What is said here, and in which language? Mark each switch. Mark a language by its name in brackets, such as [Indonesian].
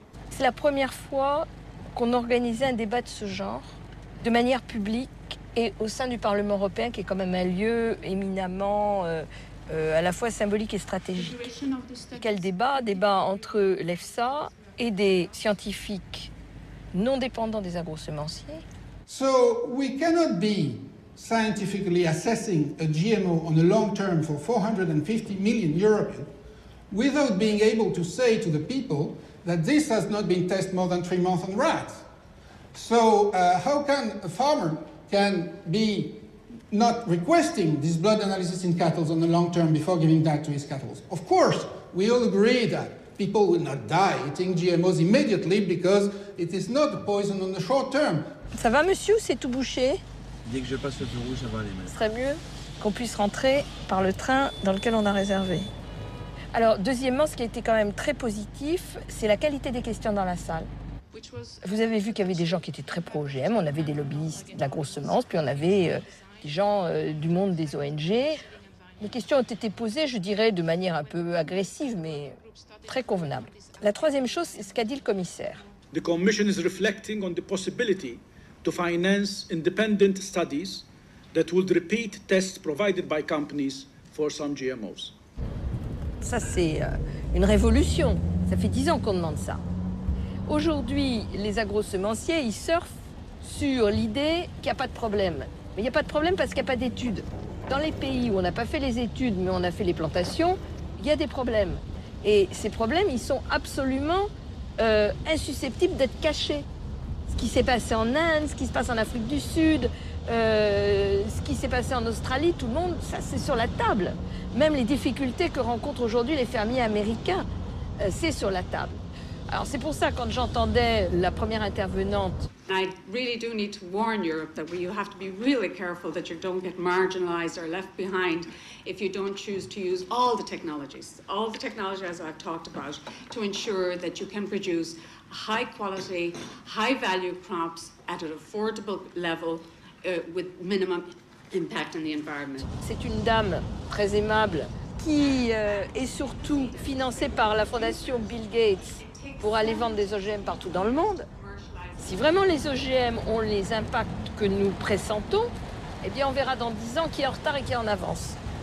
[French] C'est la première fois qu'on organisait un débat de ce genre, de manière publique et au sein du Parlement européen, qui est quand même un lieu éminemment à la fois symbolique et stratégique. Quel débat ? Débat entre l'EFSA et des scientifiques non dépendants des agro-semenciers. [English] So we cannot be scientifically assessing a GMO on a long term for 450 million Europeans without being able to say to the people that this has not been tested more than 3 months on rats. So how can a farmer can be not requesting this blood analysis in cattle on the long term before giving that to his cattle? Of course, we all agree that people will not die eating GMOs immediately because it is not a poison on the short term. [French] Ça va, monsieur, c'est tout bouché? Dès que je passe le feu rouge, ça va aller mal. Ce serait mieux qu'on puisse rentrer par le train dans lequel on a réservé. Alors, deuxièmement, ce qui a été quand même très positif, c'est la qualité des questions dans la salle. Vous avez vu qu'il y avait des gens qui étaient très pro-OGM, on avait des lobbyistes de la grosse semence, puis on avait des gens du monde des ONG. Les questions ont été posées, je dirais, de manière un peu agressive, mais très convenable. La troisième chose, c'est ce qu'a dit le commissaire. [English] The commission is reflecting on the possibility to finance independent studies that would repeat tests provided by companies for some GMOs. [French] Ça, c'est une révolution. Ça fait 10 ans qu'on demande ça. Aujourd'hui, les agro-semenciers, ils surfent sur l'idée qu'il n'y a pas de problème. Mais il n'y a pas de problème parce qu'il n'y a pas d'études. Dans les pays où on n'a pas fait les études, mais on a fait les plantations, il y a des problèmes. Et ces problèmes, ils sont absolument insusceptibles d'être cachés. Ce qui s'est passé en Inde, ce qui se passe en Afrique du Sud, ce qui s'est passé en Australie, tout le monde, ça c'est sur la table. Même les difficultés que rencontrent aujourd'hui les fermiers américains, c'est sur la table. Alors c'est pour ça, quand j'entendais la première intervenante... [English] I really do need to warn Europe that you have to be really careful that you don't get marginalized or left behind if you don't choose to use all the technologies I've talked about, to ensure that you can produce high quality, high value crops at an affordable level with minimum impact on the environment. [French] C'est une dame très aimable qui est surtout financée par la fondation Bill Gates pour aller vendre des OGM partout dans le monde. Si vraiment les OGM ont les impacts que nous pressentons, eh bien on verra dans 10 ans qui est en retard et qui est en avance.